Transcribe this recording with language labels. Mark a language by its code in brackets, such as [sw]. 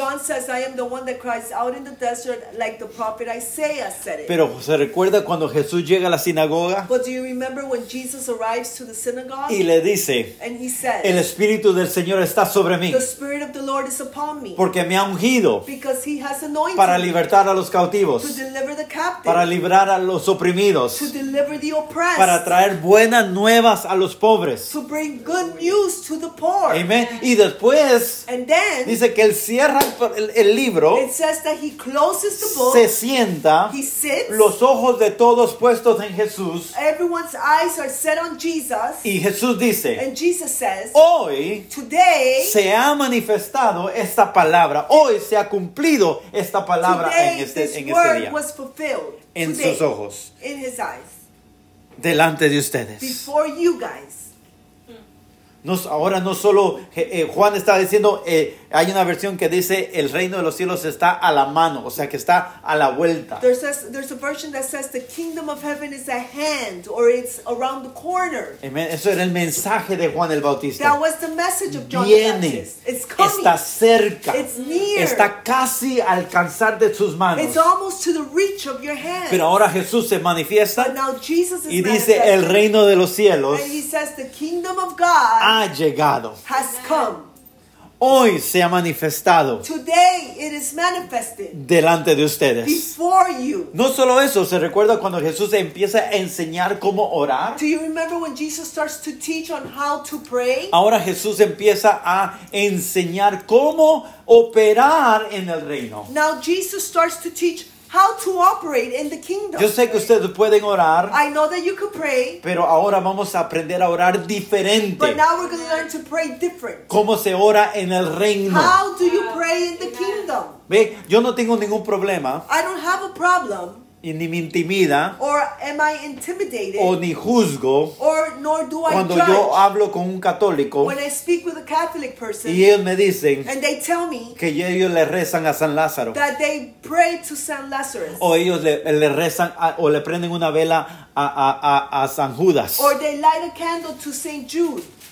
[en] John says, I am the one that cries out in the desert like the prophet Isaiah said it. [es] Pero se recuerda cuando Jesús llega a la sinagoga. [en] But do you remember when Jesus arrives to the synagogue? [es] Y le dice, [en] and he says, [es] el Espíritu del Señor está sobre mí. [en] The Spirit of the Lord is upon me. [es] Porque me ha ungido. [en] Because he has anointed. [es] Para libertar a los cautivos. [en] To deliver the captives. [es] Para librar a los oprimidos. [en] To deliver the oppressed. [es] Para traer buenas nuevas a los pobres. [en] To bring good news to the poor. [es] Amen. Y después. [en] And then. [es] Dice que él cierra el libro. [en] It says that he closes the book. [es] Se sienta. [en] He sits. [es] Los ojos de todos puestos en Jesús. [en] Everyone's eyes are set on Jesus. [es] Y Jesús dice. [en] And Jesus says. [es] Hoy. [en] Today. [es] Se ha manifestado esta palabra. Hoy se ha cumplido esta palabra en este día. [en] Was fulfilled. [es] En [en] today, [es] sus ojos. [en] In his eyes. [es] Delante de ustedes. [en] Before you guys. [es] No, ahora no solo Juan está diciendo, hay una versión que dice el reino de los cielos está a la mano, o sea que está a la vuelta. [en] There's a version that says the kingdom of heaven is at hand or it's around the corner. Amen. [es] Eso era el mensaje de Juan el Bautista. [en] That was the message of John. [es] Viene, [en] the Baptist. It's coming. [es] Está cerca. [en] It's near. [es] Está casi alcanzar de sus manos. [en] It's almost to the reach of your hand. [es] Pero ahora Jesús se manifiesta. [en] But now Jesus is [es] y dice el reino de los cielos. [en] And he says the kingdom of God [es] ha llegado. [en] Has come. [es] Hoy se ha manifestado. [en] Today it is manifested. [es] Delante de ustedes. [en] Before you. [es] No solo eso, ¿se recuerda cuando Jesús empieza a enseñar cómo orar? [en] Do you remember when Jesus starts to teach on how to pray? [es] Ahora Jesús empieza a enseñar cómo operar en el reino. [en] Now Jesus starts to teach how to operate in the kingdom. [es] Yo sé que ustedes pueden orar. [en] I know that you can pray. [es] Pero ahora vamos a aprender a orar diferente. [en] But now we're going to learn to pray different. [es] ¿Cómo se ora en el reino? [en] How do you pray in the kingdom? [es] Ve, yo no tengo ningún problema. [en] I don't have a problem. [es] Y ni me intimida. [en] Or am I intimidated? [es] O ni juzgo. [en] Or nor do I judge. [es] Cuando yo hablo con un católico. [en] When I speak with a Catholic person. [es] Y ellos me dicen. [en] And they tell me. [es] Que ellos le rezan a San Lázaro. [en] That they pray to San Lazarus. [es] O ellos le rezan a, o le prenden una vela a San Judas. [en] Or they light a candle to Saint Jude.